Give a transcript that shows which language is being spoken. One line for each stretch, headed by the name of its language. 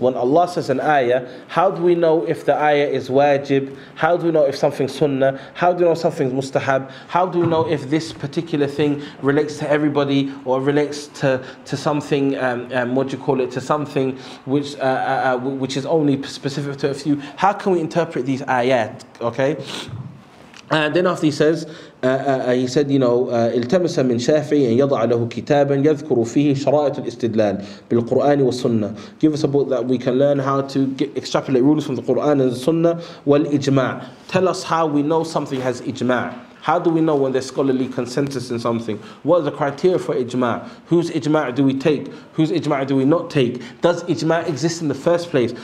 English: When Allah says an ayah, how do we know if the ayah is wajib? How do we know if something's sunnah? How do we know something's mustahab? How do we know if this particular thing relates to everybody or relates to something, to something which is only specific to a few? How can we interpret these ayat, okay? And then after he says,
Arabic: التمس من شافعي أن يضع له كتابا يذكر فيه شرائط الاستدلال بالقرآن والسنة.
English: Give us a book that we can learn how to extrapolate rules from the Quran and the Sunnah.
Arabic: والإجماع.
English: Tell us how we know something has إجماع. How do we know when there's scholarly consensus in something? What are the criteria for ijma? Whose ijma do we take? Whose ijma do we not take? Does ijma exist in the first place?